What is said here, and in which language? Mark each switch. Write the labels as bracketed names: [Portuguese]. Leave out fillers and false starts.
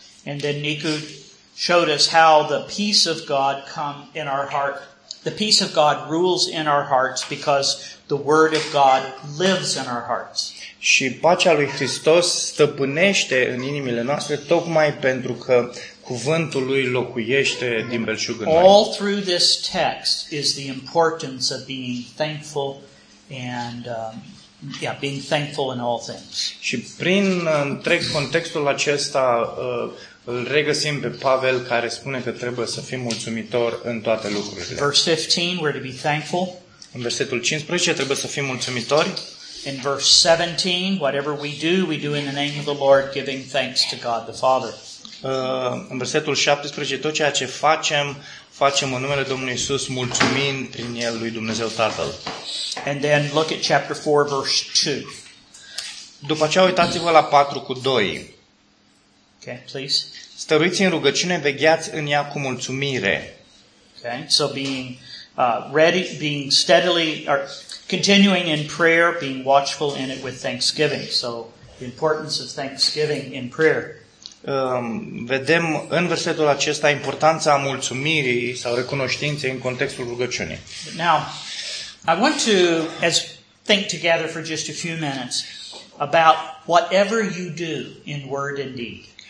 [English] And then Niku showed us how the peace of God come in our heart. The peace of God rules in our hearts because the word of God lives in our hearts. [Romanian] Și pacea lui Hristos stăpânește în inimile noastre tocmai pentru că cuvântul lui locuiește din belșug în noi. [English] All through this text is the importance of being thankful and being thankful in all things. [Romanian] Și prin întreg contextul acesta îl regăsim pe Pavel care spune că trebuie să fim mulțumitori în toate lucrurile. [English] Verse 15, we're to be thankful. [Romanian] În versetul 15 trebuie să fim mulțumitori. [English] In verse 17, whatever we do in the name of the Lord, giving thanks to God the Father. [Romanian] În versetul 17, tot ceea ce facem, facem în numele Domnului Iisus, mulțumind prin El lui Dumnezeu Tatăl. [English] And then look at chapter 4, verse 2. [Romanian] După aceea, uitați-vă la 4 cu 2. [English] Okay, please. [Romanian] Stăruiți în rugăciune, vegheați în ea cu mulțumire. [English] Okay, so being ready, being steadily, or continuing in prayer, being watchful in it with thanksgiving. So, the importance of thanksgiving in prayer. [Romanian] Vedem în versetul acesta importanța mulțumirii sau recunoștinței în contextul rugăciunii. [English] Now, I want to as think together for just a few minutes about whatever you do in word and deed.